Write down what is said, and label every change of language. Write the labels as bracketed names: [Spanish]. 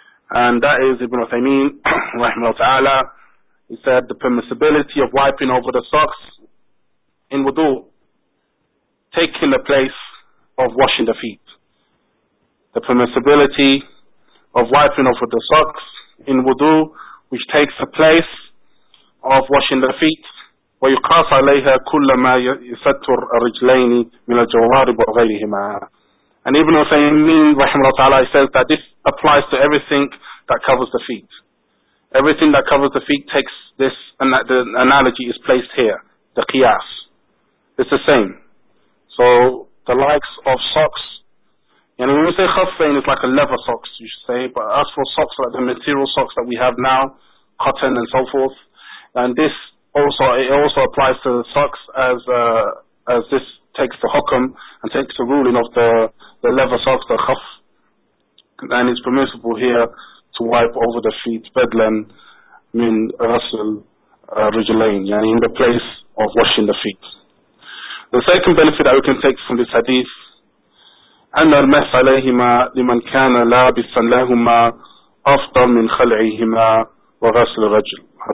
[English] And that is Ibn Uthaymeen, rahimahullah ta'ala, he said the permissibility of wiping over the socks in wudu, taking the place of washing the feet. The permissibility of wiping over the socks in wudu, which takes the place of washing the feet. [Arabic] ويقاس عليها كل ما يستر الرجلين من الجوارب وغيرهما. [English] And Ibn Uthaymeen rahimahullah ta'ala says that this applies to everything that covers the feet. Everything that covers the feet takes this, and that the analogy is placed here, the qiyas. It's the same. So the likes of socks, and when we say khaffain, it's like a leather socks, you should say, but as for socks, like the material socks that we have now, cotton and so forth, and this also, it also applies to the socks, as this takes the hukum and takes the ruling of the leather socks, the khaf, and it's permissible here to wipe over the feet, bedlan min rasul rujulain, yani in the place of washing the feet. The second benefit that we can take from this hadith, [Arabic] أن المس عليهما لمن كان لابسا لهما أفضل من خلعهما وغسل الرجل.